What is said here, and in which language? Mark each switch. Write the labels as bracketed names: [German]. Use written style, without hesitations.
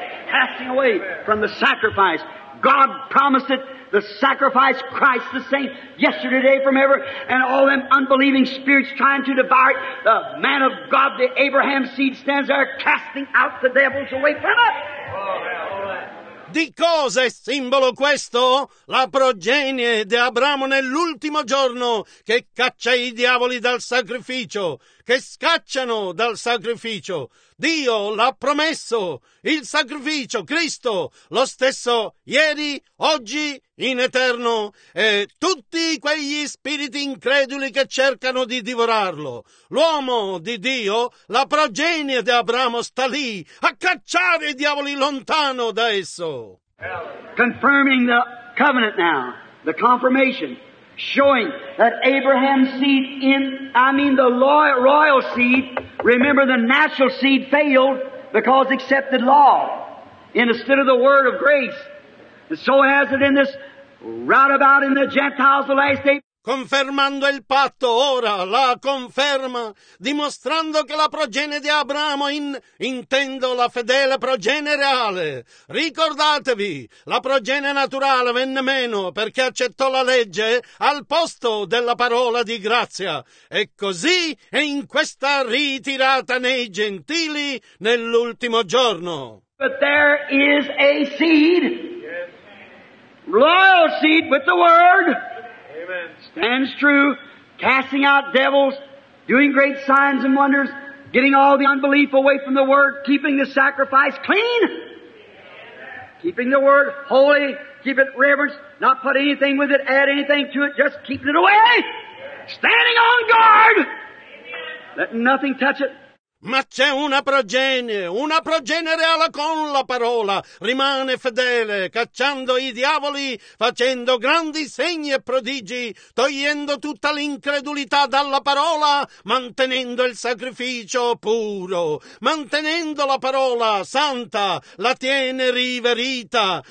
[English] Casting away from the sacrifice. God promised it, the sacrifice, Christ the saint, yesterday, today, forever, and all them unbelieving spirits trying to devour it. The man of God, the Abraham seed, stands there casting out the devils away from it. [Italian] Di cosa è simbolo questo? La progenie di Abramo nell'ultimo giorno che caccia i diavoli dal sacrificio, che scacciano dal sacrificio. Dio l'ha promesso, il sacrificio, Cristo, lo stesso ieri, oggi, in eterno, e tutti quegli spiriti increduli che cercano di divorarlo. L'uomo di Dio, la progenie di Abramo, sta lì a cacciare i diavoli lontano da esso. [English] Confirming the covenant now, the confirmation, showing that Abraham's seed the royal seed, remember the natural seed failed because accepted law instead of the word of grace. And so has it in this roundabout in the Gentiles the last day. [Italian] Confermando il patto ora, la conferma, dimostrando che la progenie di Abramo, intendo la fedele progenie reale. Ricordatevi, la progenie naturale venne meno perché accettò la legge al posto della parola di grazia. E così è in questa ritirata nei gentili nell'ultimo giorno. [English] But there is a seed, royal seed with the word. Stands true, casting out devils, doing great signs and wonders, getting all the unbelief away from the word, keeping the sacrifice clean, keeping the word holy, keep it reverence, not put anything with it, add anything to it, just keeping it away, standing on guard, letting nothing touch it. [Italian] Ma c'è una progenie reale con la parola, rimane fedele, cacciando i diavoli, facendo grandi segni e prodigi, togliendo tutta l'incredulità dalla parola, mantenendo il sacrificio puro, mantenendo la parola santa, la tiene riverita,